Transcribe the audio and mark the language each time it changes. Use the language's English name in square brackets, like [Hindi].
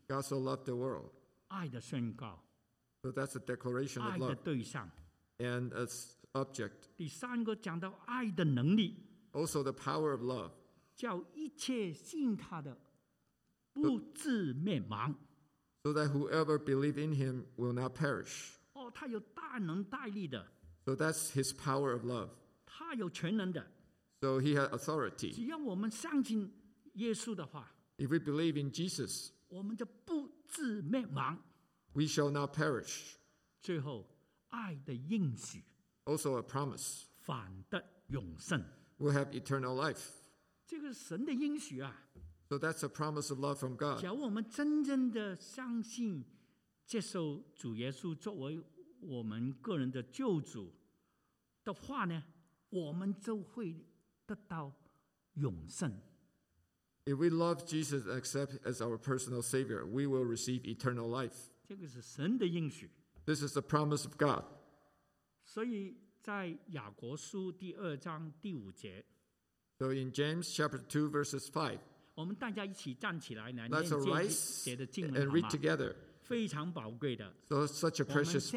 [English] God so loved the world. [Chinese] 爱的宣告。 [English] So that's a declaration of love. [Chinese] 爱的对象。 [English] And as object. [Chinese] 第三个讲到爱的能力。 [English] Also the power of love. [Chinese] 叫一切信他的不至灭亡 [English] so that whoever believe in him will not perish. [Chinese] 哦，他有大能大力的 [English] so that's his power of love. [Chinese] 他有全能的 [English] so he has authority. [Chinese] 只要我们相信耶稣的话 [English] if we believe in Jesus, [Chinese] 我们就不至灭亡 [English] we shall not perish. [Chinese] 最后，爱的应许 [English] also a promise. [Chinese] 反得永生 [English] we'll have eternal life. [Chinese] 这个是神的应许啊 [English] So that's a promise of love from God. [Chinese] 只要我们真正的相信接受主耶稣作为我们个人的救主的话呢我们就会得到永生 [English] If we love Jesus and accept as our personal savior we will receive eternal life. [Chinese] 这个是神的应许 [English] This is the promise of God. [Chinese] 所以在雅各书第二章第五节 [English] So in James chapter 2 verses 5, [Chinese] 我们大家一起站起来来 [English] let's arise and read together. [Chinese] 非常宝贵的 [English] so such a precious verse.